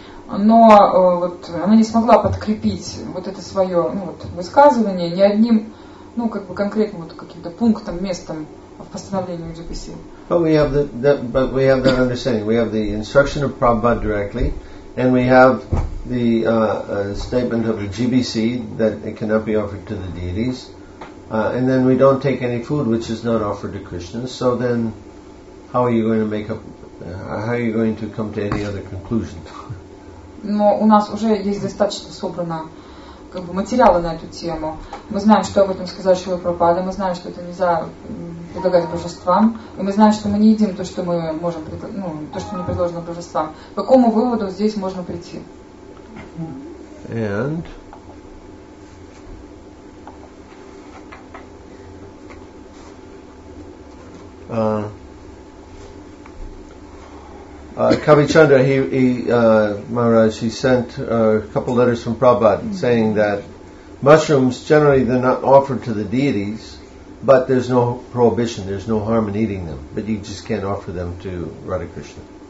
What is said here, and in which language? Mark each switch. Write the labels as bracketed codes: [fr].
[ru] Но вот она не смогла подкрепить вот это свое высказывание ни одним конкретным каким-то пунктом, местом в постановлении GBC. [en] But we have that understanding. We have the instruction of Prabhupada directly, and we have the statement of the GBC that it cannot be offered to the deities, and then we don't take any food which is not offered to Krishna. So then, how are you going to how are you going to come to any other conclusion? [ru] Но у нас уже есть достаточно собрано материалы на эту тему. Мы знаем, что об этом сказал Шрила Прабхупада, мы знаем, что это нельзя предлагать божествам, и мы знаем, что мы не едим то, что мы можем, то, что не предложено божествам. К какому выводу здесь можно прийти? [en] And Kavichandra, Maharaj, he sent a couple letters from Prabhupada saying that mushrooms, generally, they're not offered to the deities, but there's no prohibition, there's no harm in eating them, but you just can't offer them to Radha Krishna.